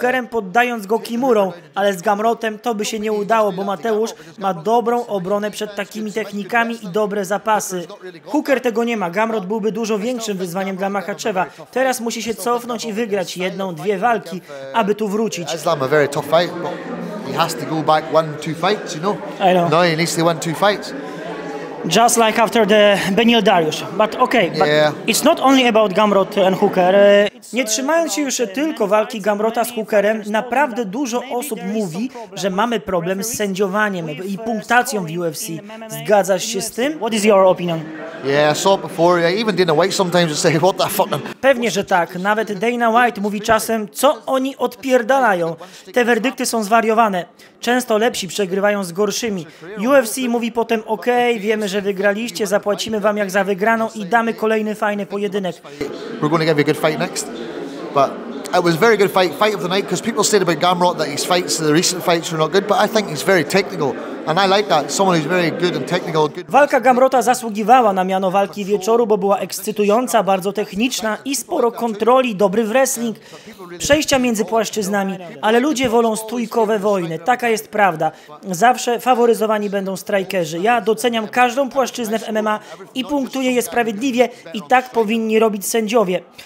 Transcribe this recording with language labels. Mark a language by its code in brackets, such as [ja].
[pl] Poddając go kimurą, ale z Gamrotem to by się nie udało, bo Mateusz ma dobrą obronę przed takimi technikami i dobre zapasy. Hooker tego nie ma, Gamrot byłby dużo większym wyzwaniem dla Makachewa. Teraz musi się cofnąć i wygrać jedną, dwie walki, aby tu wrócić. [en] Islam a very tough fight, but he has to go back one, two fights, you know? I know. No, he needs to win two fights. Just like after the Benil Dariush. But okay, but yeah. It's not only about Gamrot and Hooker. [pl] Nie trzymając się już tylko walki Gamrota z Hookerem, naprawdę dużo osób mówi, że mamy problem z sędziowaniem i punktacją w UFC. Zgadzasz się z tym? [en] What is your opinion? Yeah, I saw it before. Yeah, even Dana White sometimes say, what the fuck? [pl] Pewnie, że tak. Nawet Dana White mówi czasem, co oni odpierdalają. Te werdykty są zwariowane. Często lepsi przegrywają z gorszymi. UFC mówi potem, okej, okay, wiemy, że wygraliście, zapłacimy wam jak za wygraną i damy kolejny fajny pojedynek. [en] We're going to give you a good fight next. But it was a very good fight, fight of the night, because people said about Gamrot that his fights, the recent fights were not good, but I think he's very technical. And I like that. Someone who's very good and technical. [pl] Walka Gamrota zasługiwała na miano walki wieczoru, bo była ekscytująca, bardzo techniczna i sporo kontroli, dobry wrestling, przejścia między płaszczyznami, ale ludzie wolą stójkowe wojny. Taka jest prawda. Zawsze faworyzowani będą strajkerzy. Ja doceniam każdą płaszczyznę w MMA i punktuję je sprawiedliwie i tak powinni robić sędziowie.